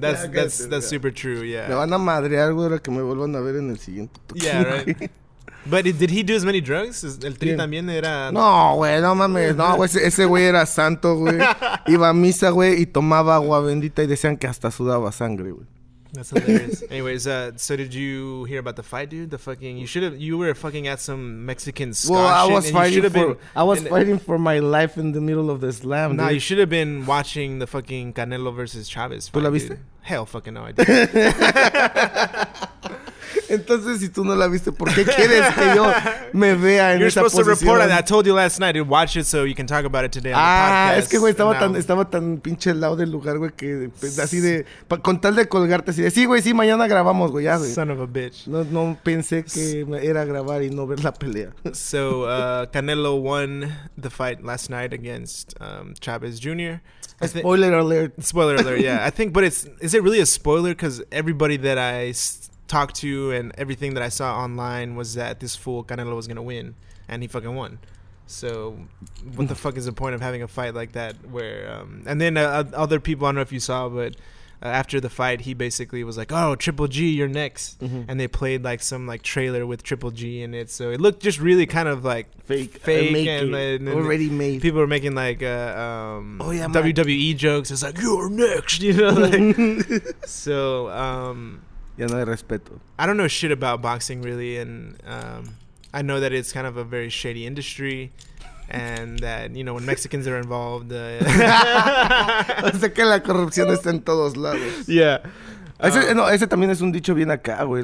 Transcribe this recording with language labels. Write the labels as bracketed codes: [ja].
[en] That's super true, yeah. [es] Me van a madrear, güey, ahora que me vuelvan a ver en el siguiente [en] toque. Yeah, right. But did he do as many drugs? [es] El Tri también era... No, güey, no mames. No, güey, ese güey era santo, güey. Iba a misa, güey, y tomaba agua bendita y decían que hasta sudaba sangre, güey. [en] That's hilarious. Anyways, so did you hear about the fight, dude? The fucking... You were fucking at some Mexican ska well, shit. Fighting for my life in the middle of the slam, nah, dude. You should have been watching the fucking Canelo versus Chavez fight. [es] ¿Tú la viste? [en] Dude. Hell fucking no, I didn't. [es] Entonces, si tú no la viste, ¿por qué quieres que yo me vea [en] You're [es] en esa posición? [en] You're supposed to report on it. I told you last night to watch it so you can talk about it today on the podcast. [es] Ah, es que, güey, estaba tan pinche al lado del lugar, güey, que pues, así de... con tal de colgarte así de... Sí, güey, sí, mañana grabamos, güey, ya, güey. [en] Son of a bitch. [es] No pensé que era grabar y no ver la pelea. [en] So, Canelo won the fight last night against Chavez Jr. Spoiler alert. Spoiler alert, yeah. I think, but is it really a spoiler? Because everybody that I... talked to and everything that I saw online was that this fool Canelo was gonna win and he fucking won. So what the fuck is the point of having a fight like that where and then other people, I don't know if you saw, but after the fight he basically was like, oh, Triple G, you're next. Mm-hmm. And they played like some like trailer with Triple G in it, so it looked just really kind of like fake and already made. People were making like oh, yeah, WWE jokes. It's like, you're next, you know, like, so [es] ya no hay respeto. [en] I don't know shit about boxing, really, and I know that it's kind of a very shady industry, and that, you know, when Mexicans are involved... [es] o sea que la corrupción está en todos lados. [en] Yeah. [es] Ese también es un dicho bien acá, güey.